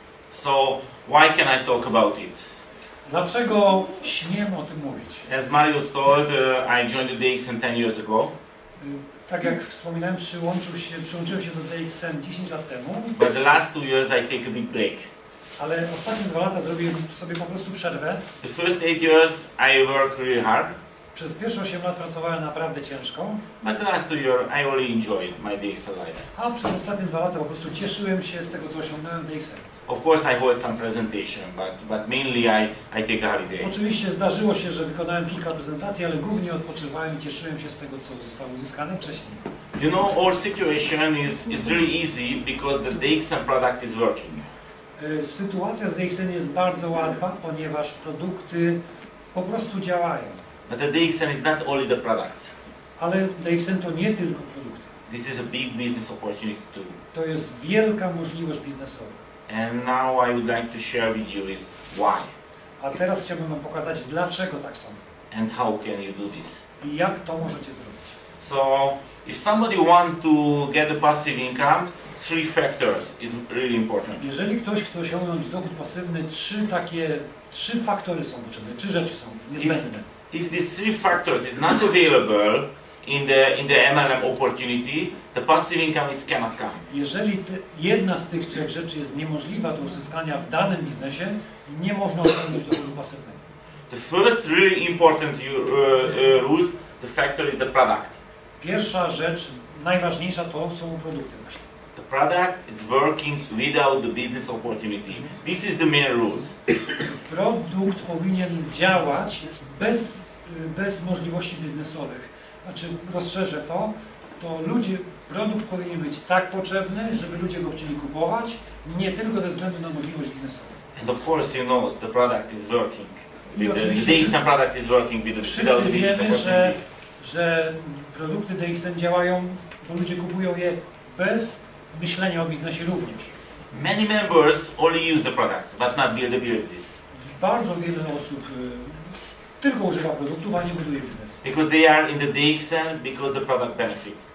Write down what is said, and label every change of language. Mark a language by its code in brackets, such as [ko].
[en] So, why can I talk about it? [pl] Dlaczego śmiem o tym mówić? [en] As Marius told, I joined the DXN 10 years ago. [pl] Tak jak wspominałem, przyłączyłem się do DXN 10 lat temu. [en] But the last 2 years I take a big break. [pl] Ale ostatnie 2 lata zrobiłem sobie po prostu przerwę. [en] The first 8 years I work really hard. [pl] Przez pierwsze 8 lat pracowałem naprawdę ciężko. [en] But the last 2 years I only enjoy my DXN life. [pl] A przez ostatnie 2 lata po prostu cieszyłem się z tego, co osiągnąłem w DXN. [en] Of course I hold some presentation, but mainly I take a holiday. [pl] Oczywiście zdarzyło się, że wykonałem kilka prezentacji, ale głównie odpoczywałem i cieszyłem się z tego, co zostało uzyskane wcześniej. [en] You know, our situation is really easy because the DXN product is working. [pl] Sytuacja z DXN jest bardzo łatwa, ponieważ produkty po prostu działają. [en] But the DXN is not only the products. [pl] Ale DXN to nie tylko produkty. [en] This is a big business opportunity too. [pl] To jest wielka możliwość biznesowa. [en] And now I would like to share with you is why. [pl] A teraz chciałbym wam pokazać, dlaczego tak sądzę. [en] And how can you do this? [pl] I jak to możecie zrobić? [en] So, if somebody want to get a passive income, three factors is really important. [pl] Jeżeli ktoś chce osiągnąć dochód pasywny, trzy faktory są potrzebne, trzy rzeczy są niezbędne. [en] If these three factors is not available in the MLM opportunity, the passive income is cannot come. [pl] Jeżeli jedna z tych trzech rzeczy jest niemożliwa do uzyskania w danym biznesie, nie można osiągnąć dochodu pasywnego. [en] The first really important rules, the factor is the product. [pl] Pierwsza rzecz, najważniejsza, to są produkty właśnie. [en] The product is working without the business opportunity. This is the main rules. [pl] Produkt powinien działać bez możliwości biznesowych. Znaczy, rozszerzę to, to ludzie, produkt powinien być tak potrzebny, żeby ludzie go chcieli kupować, nie tylko ze względu na możliwość biznesową. [en] And of course you know, the product is working. The product is working without the business opportunity. [pl] Wszyscy wiemy, że produkty DXN działają, bo ludzie kupują je bez myślenia o biznesie również. [en] Many members only use the products, but not build the business. [pl] Bardzo wiele osób tylko używa produktów, a nie buduje biznes. [en] Because they are in the DXN because the product benefit.